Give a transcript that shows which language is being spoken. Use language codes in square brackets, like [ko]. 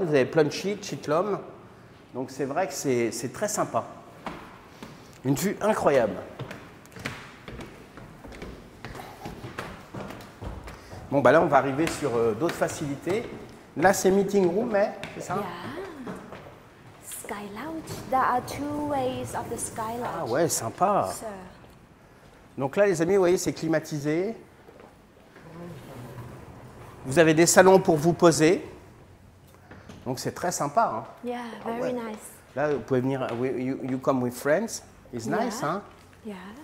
[fr] Vous avez Plunchy, Chitlom. Donc c'est vrai que c'est très sympa. Une vue incroyable. Bon, bah là, on va arriver sur d'autres facilités. Là, c'est meeting room, mais c'est ça? [en] Sky lounge. There are two ways of the sky lounge. [fr] Ah ouais, sympa. Donc là, les amis, vous voyez, c'est climatisé. Vous avez des salons pour vous poser. Donc, c'est très sympa. Hein. [en] Yeah, very nice. [fr] Là, vous pouvez venir. [en] You come with friends. It's nice, [fr] hein? [en] Yeah.